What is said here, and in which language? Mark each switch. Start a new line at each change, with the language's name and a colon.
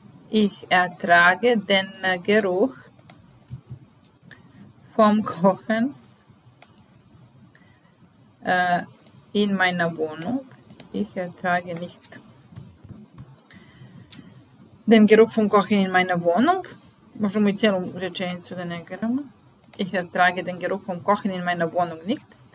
German: Ich ertrage den Geruch vom Kochen in meiner Wohnung. Ich ertrage nicht den Geruch vom Kochen in meiner Wohnung.
Croatian: Možemo i cijelu rečenicu da ne gledamo.
German: Ich ertrage den Geruch vom Kochen in meiner Wohnung nicht.